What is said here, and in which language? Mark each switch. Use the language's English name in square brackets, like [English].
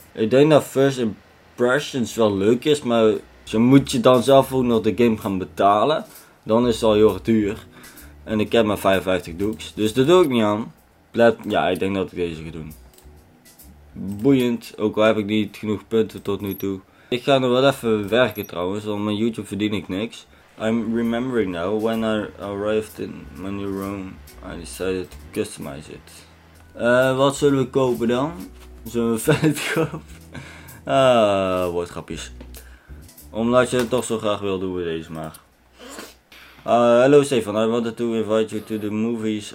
[Dutch] Ik denk dat first impressions wel leuk is, maar ze moet je dan zelf ook nog de game gaan betalen. Dan is het al heel erg duur. En ik heb maar 55 doeks, dus dat doe ik niet aan. Ja, ik denk dat ik deze ga doen. Boeiend, ook al heb ik niet genoeg punten tot nu toe. Ik ga nog wel even werken trouwens, want met YouTube verdien ik niks. [English] I'm remembering now, when I arrived in my new room, I decided to customize it. [Dutch] Wat zullen we kopen dan? Zullen we vet kopen? Woordgrapjes. Omdat je het toch zo graag wil, doen we deze maar. [English] Hello Stefan, I wanted to invite you to the movies.